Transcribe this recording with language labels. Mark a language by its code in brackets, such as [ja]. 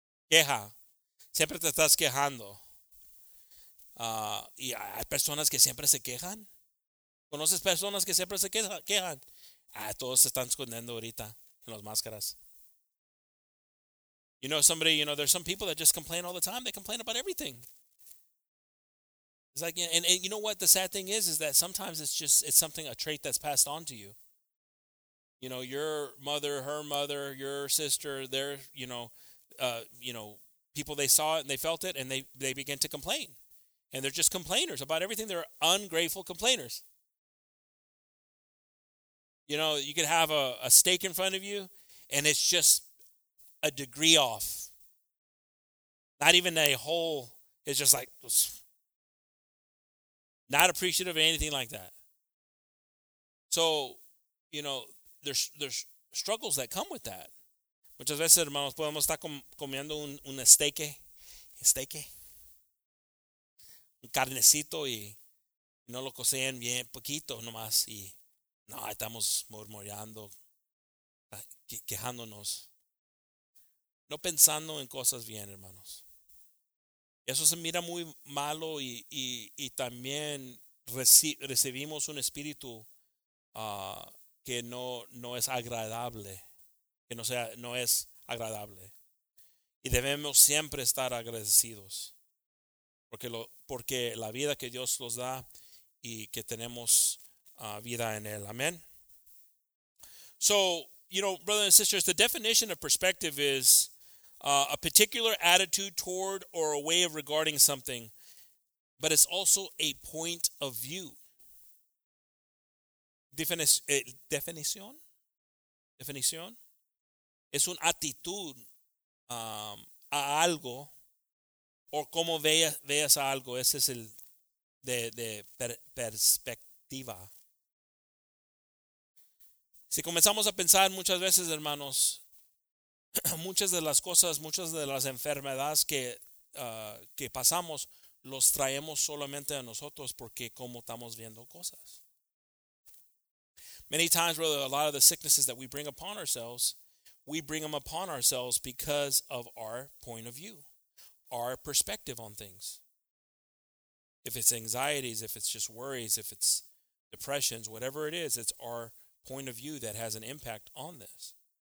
[es] Queja. Siempre te estás quejando. Y hay personas que siempre se quejan. ¿Conoces personas que siempre se quejan? Ah, todos se están escondiendo ahorita en las máscaras. [en] You know somebody, you know, there's some people that just complain all the time. They complain about everything. It's like, and you know what the sad thing is that sometimes it's something, a trait that's passed on to you. You know, your mother, her mother, your sister, their, you know, people, they saw it and they felt it and they begin to complain. And they're just complainers about everything. They're ungrateful complainers. You know, you could have a steak in front of you and it's just a degree off. Not even a whole, it's just like, not appreciative of anything like that. So, you know, there's struggles that come with that. [es] Muchas veces, hermanos, podemos estar comiendo un steak, un carnecito y no lo cocinan bien poquito nomás y no, estamos murmurando, quejándonos, no pensando en cosas bien, hermanos. Eso se mira muy malo y también recibimos un espíritu que no es agradable, que no es agradable. Y debemos siempre estar agradecidos porque la vida que Dios nos da y que tenemos vida en él. Amen. [en] So, you know, brothers and sisters, the definition of perspective is a particular attitude toward or a way of regarding something, but it's also a point of view. [es] Definición es una actitud a algo o cómo veas a algo. Ese es el de perspectiva. Si comenzamos a pensar muchas veces, hermanos, muchas de las cosas, muchas de las enfermedades que pasamos, los traemos solamente a nosotros porque como estamos viendo cosas. [en] Many times, brother, a lot of the sicknesses that we bring them upon ourselves because of our point of view, our perspective on things. If it's anxieties, if it's just worries, if it's depressions, whatever it is, it's our point of view that has an impact on this.